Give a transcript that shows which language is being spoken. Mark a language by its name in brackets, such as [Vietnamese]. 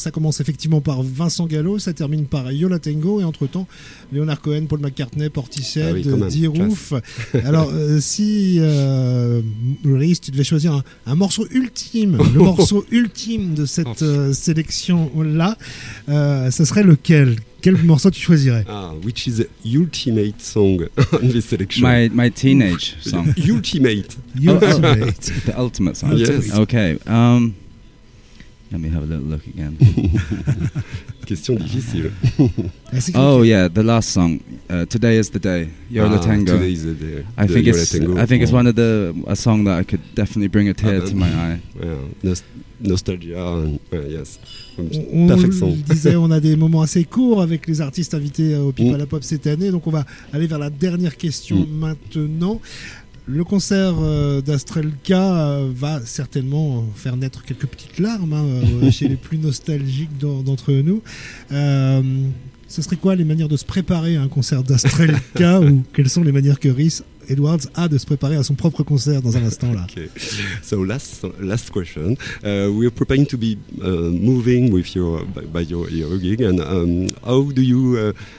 [French] Ça commence effectivement par Vincent Gallo, ça termine par Yola Tengo, et entre-temps, Leonard Cohen, Paul McCartney, Portishead, Diouf. Alors, si Rhys, tu devais choisir un morceau ultime, le morceau ultime de cette sélection-là, ce serait lequel? Quel morceau tu choisirais? [English] Which is the ultimate song on this selection? My teenage song. Ultimate. Ultimate. The ultimate song. Yes. Okay. Let me have a little look again. [French] Question difficile. [English] Oh yeah, the last song. Today is the day. Yola Tango. Today is the day. I think it's one of the a song that I could definitely bring a tear to my eye. Nostalgia. Yes. [French] On disait, on a des moments assez courts avec les artistes invités au People à Pop cette année, donc on va aller vers la dernière question maintenant. Le concert d'Astrelka va certainement faire naître quelques petites larmes chez les plus nostalgiques d'entre nous. Ce serait quoi les manières de se préparer à un concert d'Astrelka ou quelles sont les manières que Rhys Edwards a de se préparer à son propre concert dans un instant là? [English] Okay. So last question. We are preparing to be moving with your by your gig and how do you